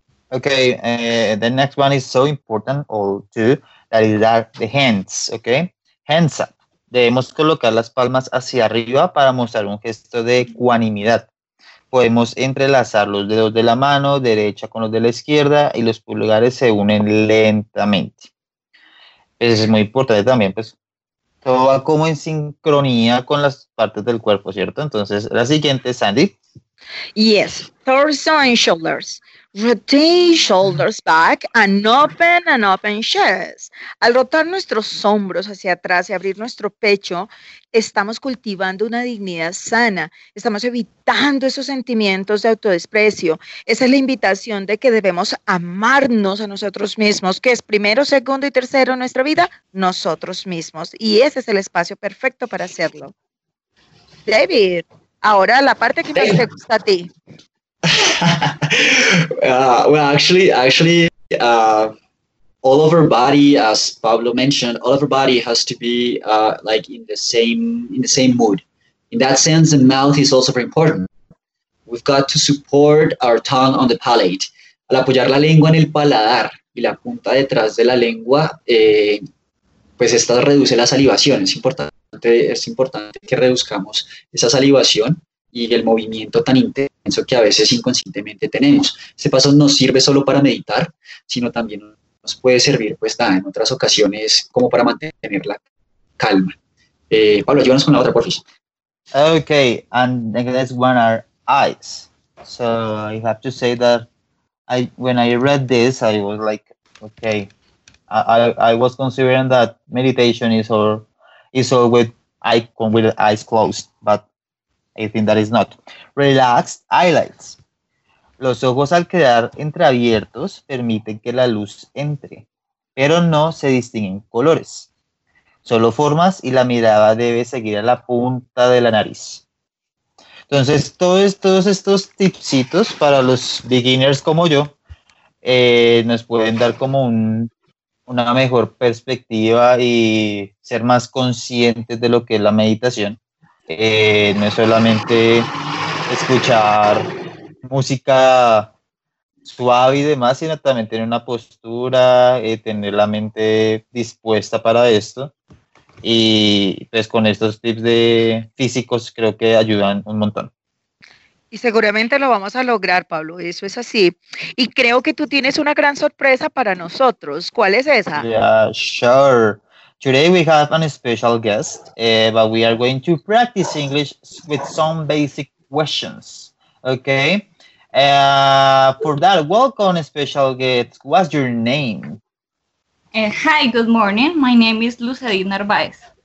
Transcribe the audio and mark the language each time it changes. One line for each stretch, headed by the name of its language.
English: Okay, the next one is so important all too, that is that the hands, okay? Hands up.
Spanish: Debemos colocar las palmas hacia arriba para mostrar un gesto de ecuanimidad. Podemos entrelazar los dedos de la mano derecha con los de la izquierda y los pulgares se unen lentamente. Eso es muy importante también, pues. Todo va como en sincronía con las partes del cuerpo, ¿cierto? Entonces, la siguiente, Sandy.
English: Yes, torso and shoulders. Rotate shoulders back and open chest.
Spanish: Al rotar nuestros hombros hacia atrás y abrir nuestro pecho, estamos cultivando una dignidad sana. Estamos evitando esos sentimientos de autodesprecio. Esa es la invitación de que debemos amarnos a nosotros mismos, que es primero, segundo y tercero en nuestra vida, nosotros mismos. Y ese es el espacio perfecto para hacerlo. David, ahora la parte que más te gusta a ti.
English: well, actually, all of our body, as Pablo mentioned, all of our body has to be like in the same mood. In that sense, the mouth is also very important. We've got to support our tongue on the palate.
Spanish: Al apoyar la lengua en el paladar y la punta detrás de la lengua, pues esta reduce la salivación. Es importante que reduzcamos esa salivación y el movimiento tan intenso que a veces inconscientemente tenemos. Este paso no sirve solo para meditar, sino también nos puede servir pues en otras ocasiones como para mantener la calma. Pablo, llévanos con la otra, por favor.
English: Okay, and the next one are eyes. So I have to say that when I read this, I was like, okay, I was considering that meditation is all with eyes closed, but I think that is not. Relaxed eyelids.
Spanish: Los ojos al quedar entreabiertos permiten que la luz entre, pero no se distinguen colores. Solo formas y la mirada debe seguir a la punta de la nariz. Entonces, todos estos tipsitos para los beginners como yo nos pueden dar como una mejor perspectiva y ser más conscientes de lo que es la meditación. No es solamente escuchar música suave y demás, sino también tener una postura, tener la mente dispuesta para esto. Y pues con estos tips de físicos creo que ayudan un montón. Y seguramente lo vamos a lograr, Pablo, eso es así. Y creo que tú tienes una gran sorpresa para nosotros. ¿Cuál es esa?
English: Yeah, sure. Today we have a special guest, but we are going to practice English with some basic questions, okay? For that, welcome, special guest. What's your name? Hi, good morning. My name is Luz Edith Narváez.